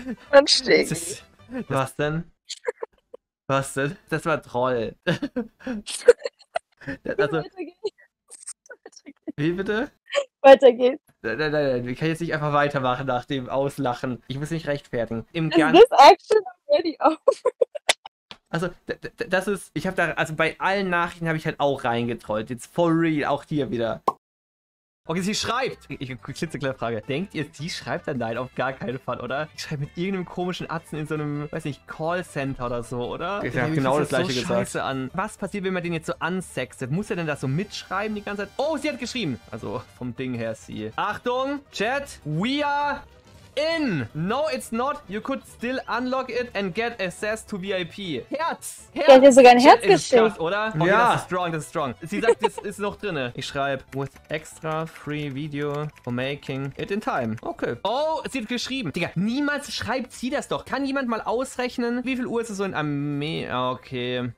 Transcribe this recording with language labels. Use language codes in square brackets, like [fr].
[de] Dann steht. Was denn? Was denn? Das war Troll. Also, Wie bitte? Weiter geht's. Nein, nein, nein, ich kann jetzt nicht einfach weitermachen nach dem Auslachen. Ich muss mich rechtfertigen. Im [en] Is this action already off? [de] Also, das ist, ich habe da, also bei allen Nachrichten habe ich halt auch reingetrollt. Jetzt [en] for real, [de] auch hier wieder. Okay, sie schreibt. Ich klitzekleine Frage. Denkt ihr, sie schreibt dann nein? Auf gar keinen Fall, oder? Ich schreibe mit irgendeinem komischen Atzen in so einem, weiß nicht, Callcenter oder so, oder? Ich habe genau das gleiche gesagt. An. Was passiert, wenn man den jetzt so unsextet? Muss er denn das so mitschreiben die ganze Zeit? Oh, sie hat geschrieben. Also, vom Ding her, sie. Achtung, Chat, [en] we are in. No, it's not. You could still unlock it and get access to VIP. [de] Herz. Ich hätte dir sogar ein Herz geschickt. Oder? Okay, ja. Das ist strong, das ist strong. Sie sagt, das ist noch drin. Ich schreibe, [en] with extra free video for making it in time. [de] Okay. Oh, sie hat geschrieben. Digga, niemals schreibt sie das doch. Kann jemand mal ausrechnen, wie viel Uhr ist es so in Amerika? Okay.